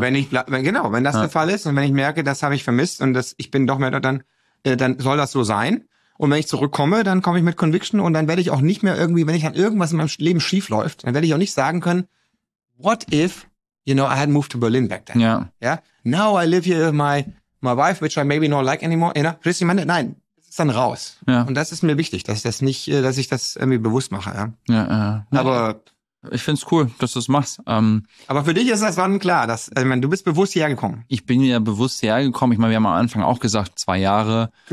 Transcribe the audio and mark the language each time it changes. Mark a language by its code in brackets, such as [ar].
[de] Wenn das der Fall ist und wenn ich merke, das habe ich vermisst und das, ich bin doch mehr da, dann soll das so sein. Und wenn ich zurückkomme, dann komme ich mit Conviction und dann werde ich auch nicht mehr irgendwie, wenn ich an irgendwas in meinem Leben schief läuft, dann werde ich auch nicht sagen können, [en] what if, you know, I had moved to Berlin back then. [de] Ja. [en] Yeah? Now I live here with my wife, which I maybe not like anymore. You know? [de] Richtig, meine, nein, das ist dann raus. Ja. Und das ist mir wichtig, dass ich das nicht, dass ich das irgendwie bewusst mache. Ja, ja. Aber ich find's cool, dass du es machst. Aber für dich ist das wann klar, dass, also ich meine, du bist bewusst hergekommen. Ich bin ja bewusst hergekommen. Ich meine, wir haben am Anfang auch gesagt, 2 Jahre.